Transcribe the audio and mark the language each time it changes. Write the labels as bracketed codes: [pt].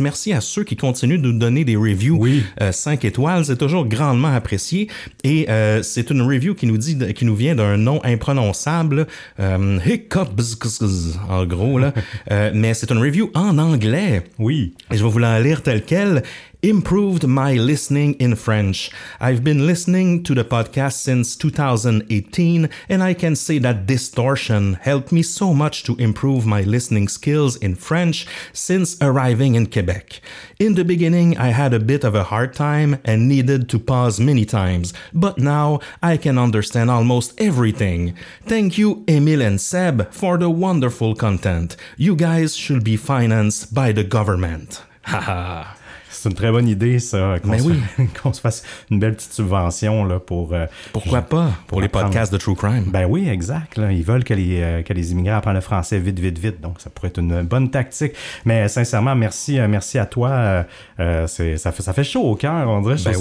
[fr] Merci à ceux qui continuent de nous donner des reviews 5 étoiles, c'est toujours grandement apprécié, et c'est une review qui nous vient d'un nom imprononçable, Hick. En gros, là. Mais c'est une review en anglais. Oui. Et je vais vous la lire telle qu'elle. [en] Improved my listening in French. I've been listening to the podcast since 2018, and I can say that Distortion helped me so much to improve my listening skills in French since arriving in Quebec. In the beginning, I had a bit of a hard time and needed to pause many times, but now I can understand almost everything. Thank you, Emile and Seb, for the wonderful content. You guys should be financed by the government. Haha. [fr] C'est une très bonne idée, ça, qu'on se fasse une belle petite subvention là, pour... Pour les apprendre. Podcasts de True Crime. Ben oui, exact. Là. Ils veulent que les immigrants apprennent le français vite, vite, vite. Donc, ça pourrait être une bonne tactique. Mais sincèrement, merci à toi. Ça fait chaud au cœur, on dirait.